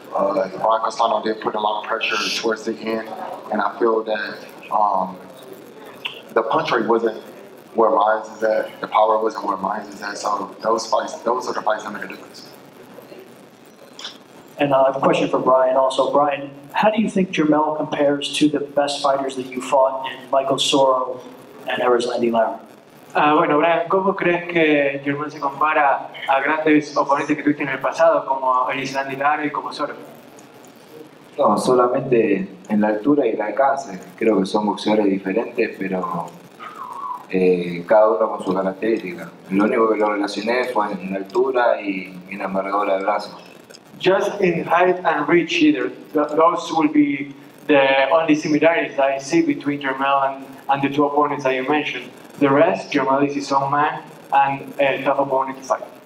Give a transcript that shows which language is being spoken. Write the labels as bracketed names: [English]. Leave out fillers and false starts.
[English] Ryan Castaño did put a lot of pressure towards the end, and I feel that the punch rate wasn't where mine's is at. The power wasn't where mine's is at. So those fights, those are the fights that make a difference. And a question for Brian also. Brian, how do you think Jermell compares to the best fighters that you fought in Michael Soro and Errors Landy Lara? [Spanish] Bueno, Brian, ¿cómo crees que Jermell se compara a grandes oponentes que tuviste en el pasado, como Errors Landy Lara y como Soro? No, solamente en la altura y el alcance. Creo que son boxeadores diferentes, pero cada uno con su característica. Lo único que lo relacioné fue en altura y en envergadura de brazo. [English] Just in height and reach, either. Those will be the only similarities that I see between Jermell and the two opponents that you mentioned. The rest, Jermell is his own man and a tough opponent to fight.